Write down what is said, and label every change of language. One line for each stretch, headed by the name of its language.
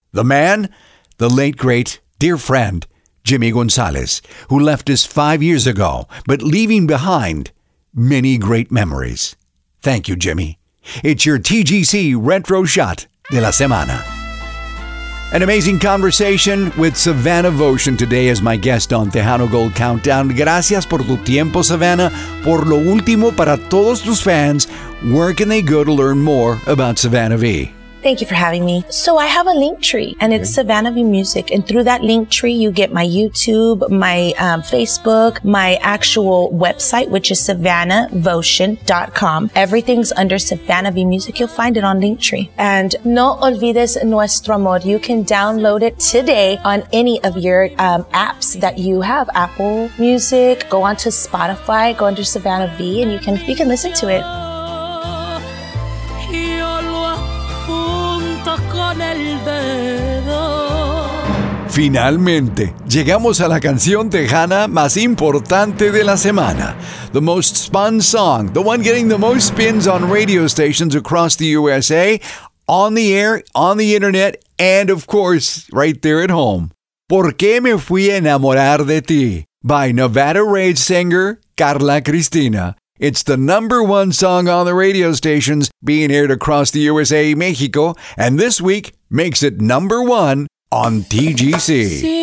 English: The man, the late, great, dear friend, Jimmy Gonzalez, who left us 5 years ago, but leaving behind many great memories. Thank you, Jimmy. It's your TGC Retro Shot de la Semana. An amazing conversation with Savannah Voshin today as my guest on Tejano Gold Countdown.
Spanish: Gracias por tu tiempo, Savannah. Por lo último, para todos tus fans,
English: where can they go to learn more about Savannah V? Thank you for having me. So I have a link tree, and it's Savannah V Music. And through that link tree, you get my YouTube, my Facebook, my actual website, which is SavannahVotion.com. Everything's under Savannah V Music. You'll find it on link tree. And
Spanish: no olvides nuestro amor.
English: You can download it today on any of your apps that you have. Apple Music, go on to Spotify, go under Savannah V, and you can listen to it.
Spanish: Finalmente, llegamos a la canción tejana más importante de la semana.
English: The most spun song, the one getting the most spins on radio stations across the USA, on the air, on the internet, and of course, right there at home.
Spanish: ¿Por qué me fui a enamorar de ti?
English: By Nevada Rage singer Carla Cristina. It's the number one song on the radio stations being aired across the USA, Mexico, and this week makes it number one on TGC.